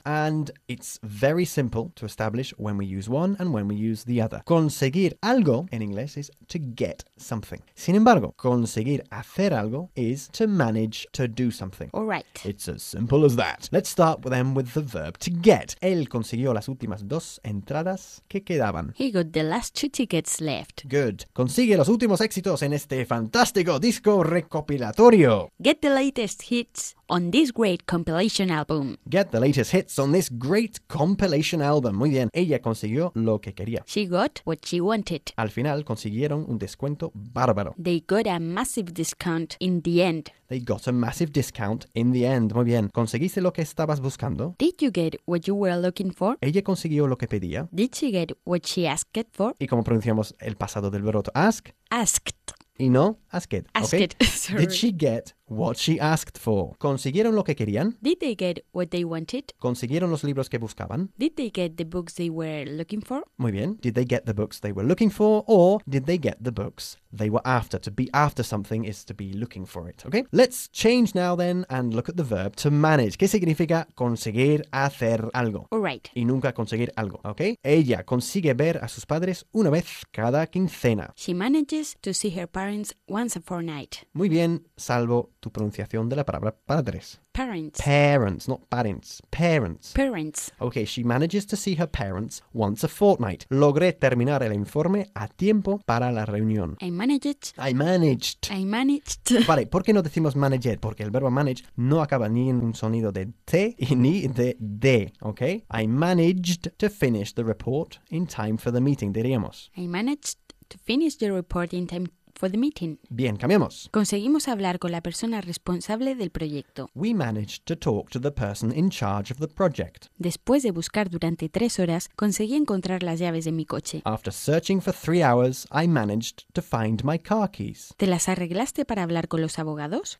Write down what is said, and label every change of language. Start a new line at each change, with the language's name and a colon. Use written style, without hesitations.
English: And it's very simple to establish when we use one and when we use the other.
Spanish: Conseguir algo
English: in English is to get something.
Spanish: Sin embargo, conseguir hacer algo
English: is to manage to do something. All right. It's as simple as that. Let's start then with the verb to get.
Spanish: Él consiguió las últimas dos entradas que quedaban.
English: He got the last two tickets left. Good.
Spanish: Consigue los últimos éxitos en este fantástico disco recopilatorio.
English: Get the latest hits on this great compilation album. Get the latest hits on this great compilation album.
Spanish: Muy bien. Ella consiguió lo que quería.
English: She got what she wanted.
Spanish: Al final consiguieron un descuento bárbaro.
English: They got a massive discount in the end. They got a massive discount in the end.
Spanish: Muy bien. ¿Conseguiste lo que estabas buscando?
English: Did you get what you were looking for?
Spanish: Ella consiguió lo que pedía.
English: Did she get what she asked for?
Spanish: ¿Y cómo pronunciamos el pasado del verbo to ask?
English: Asked.
Spanish: Y no, asked.
English: Asked. Okay. Did she get what she asked for?
Spanish: ¿Consiguieron lo que querían?
English: Did they get what they wanted?
Spanish: ¿Consiguieron los libros que buscaban?
English: Did they get the books they were looking for?
Spanish: Muy bien.
English: Did they get the books they were looking for? Or did they get the books they were after? To be after something is to be looking for it. Okay? Let's change now then and look at the verb to manage.
Spanish: ¿Qué significa conseguir hacer algo?
English: All right.
Spanish: Y nunca conseguir algo. Okay? Ella consigue ver a sus padres una vez cada quincena.
English: She manages to see her parents once a fortnight.
Spanish: Muy bien, salvo tu pronunciación de la palabra padres.
English: Parents. Parents, not parents. Parents. Parents. Okay, she manages to see her parents once a fortnight.
Spanish: Logré terminar el informe a tiempo para la reunión.
English: I managed.
Spanish: Vale, ¿por qué no decimos manage it? Porque el verbo manage no acaba ni en un sonido de T y ni de D, okay?
English: I managed to finish the report in time for the meeting,
Spanish: diríamos.
English: I managed to finish the report in time for the meeting.
Spanish: Bien, cambiamos. Conseguimos hablar con la persona responsable del proyecto.
English: We managed to talk to the person in charge of the project.
Spanish: Después de buscar durante 3 horas, conseguí encontrar las llaves de mi coche.
English: After searching for 3 hours, I managed to find my car keys.
Spanish: ¿Te las arreglaste para hablar con los abogados?